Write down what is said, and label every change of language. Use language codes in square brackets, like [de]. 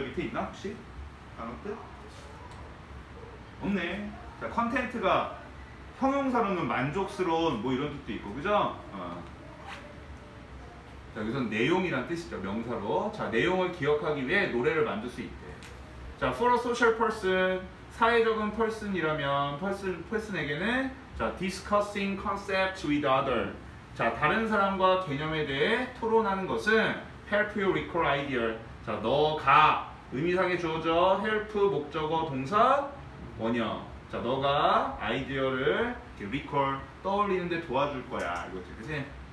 [ko] 밑에 있나? 혹시? 단어 뜻? 없네. 자, 컨텐츠가 형용사로는 만족스러운 뭐 이런 뜻도 있고, 그죠? 자, 여기서는 내용이란 뜻이죠. 명사로. 자, 내용을 기억하기 위해 노래를 만들 수 있대. [en] 자, for a social person, [ko] 사회적인 [en] person이라면, person에게는, 자, discussing concepts with others. [ko] 자, 다른 사람과 개념에 대해 토론하는 것은, [en] help you recall idea. [ko] 자, 너가, 의미상의 주어죠. help, 목적어, 동사, 원형. 자, 너가 아이디어를 recall, 떠올리는데 도와줄 거야. 이거지, 그치?